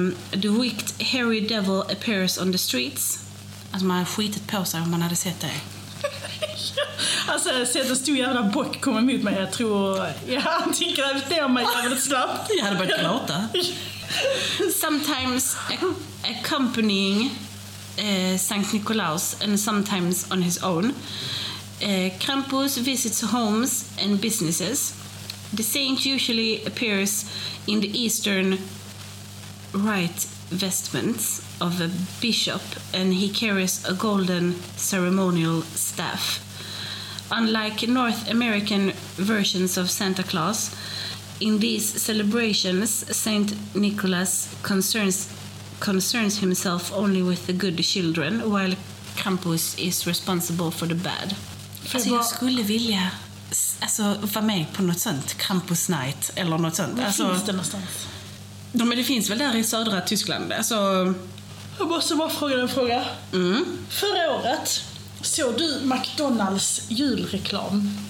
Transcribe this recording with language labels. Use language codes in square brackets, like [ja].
[en] The wicked hairy devil appears on the streets. [sv] Alltså man hade skitit på sig om man hade sett det. Alltså jag ser att en stor jävla bock kommer emot mig. Jag tror jag antingen att det är mig jävligt snabbt. Jag hade börjat gråta. [en] Sometimes accompanying Sankt Nikolaus and sometimes on his own. Krampus visits homes and businesses. The saint usually appears in the eastern right vestments of a bishop and he carries a golden ceremonial staff. Unlike North American versions of Santa Claus, in these celebrations Saint Nicholas concerns himself only with the good children while Krampus is responsible for the bad. [sv] Alltså jag skulle vilja alltså vara med på något sånt Krampus night eller något sånt. Alltså, finns det någonstans? Ja, men det finns väl där i södra Tyskland. Alltså... Jag måste bara fråga en fråga. Mm. Förra året såg du McDonalds julreklam?